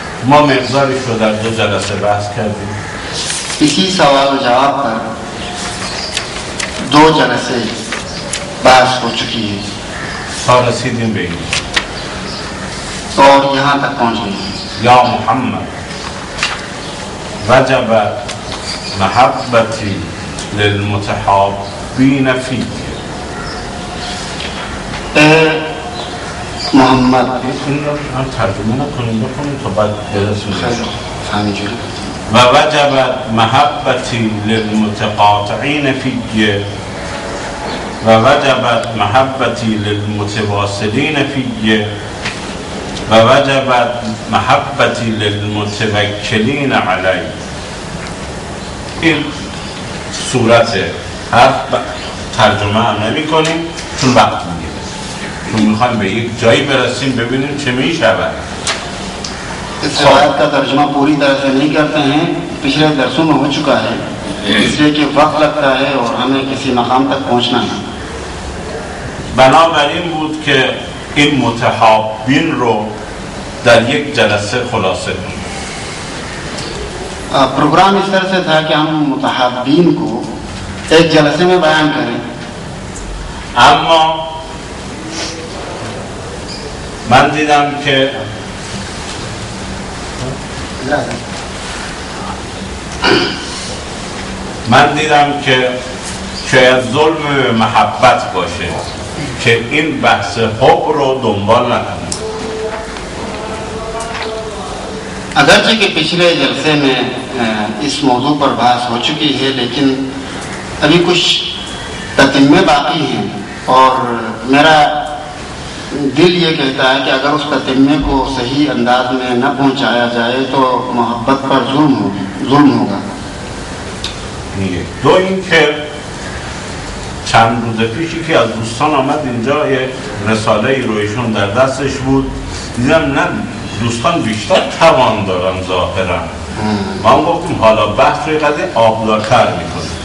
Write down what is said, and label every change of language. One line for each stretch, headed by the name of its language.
Persian: ما مقداری شو در دو جلسه بحث کردیم
Urdu: اسی سوال و جواب پر دو جلسے بحث ہو چکی ہے سارا سیدھے بھی اور یہاں تک پہنچ گئی.
Arabic: یا محمد وجب محبتی للمتحابین فی
Urdu: اے محمد
Persian: این رو ترجمه نکنیم بکنیم تو بعد برسونیم خیلی همینجوری
Arabic: و وجب محبتی للمتقاطعین فیه و وجب محبتی للمتواصلین فیه و وجب محبتی للمتوکلین علی.
Persian: این صورت حرف ترجمه هم نمی کنیم چون وقت میگیره چون میخوایم به یک جایی برسیم ببینیم چه میشود.
Urdu: اس روایت کا ترجمہ پوری طرح سے نہیں کرتے ہیں پچھلے درسوں میں ہو چکا ہے اس لیے کہ وقت لگتا ہے اور ہمیں کسی مقام تک پہنچنا ہے.
Persian: بنابراین بود کہ این متحابین رو در یک جلسه خلاصه کنیم.
Urdu: پروگرام اس طرح سے تھا کہ ہم متحابین کو ایک جلسے میں بیان کریں
Persian: اما من دیدم کہ من دیدم که شاید ظلم به محبت باشه که این بحث حب رو دنبال نکنه.
Urdu: اگرچه که پچھلے جلسے میں اس موضوع پر بحث ہو چکی ہے لیکن ابھی کچھ تتمے باقی ہیں اور میرا دل یہ کہتا ہے کہ اگر اس تتمے کو صحیح انداز میں نہ پہنچایا جائے تو محبت پر ظلم ہوگا.
Persian: دو این که چند روز پیش یکی از دوستان آمد اینجا یه رساله ای رویشون در دستش بود دیدم نه دوستان بیشتر توان دارن ظاهرن من گفتم حالا بحث روی قدر آبدارتر میکنم.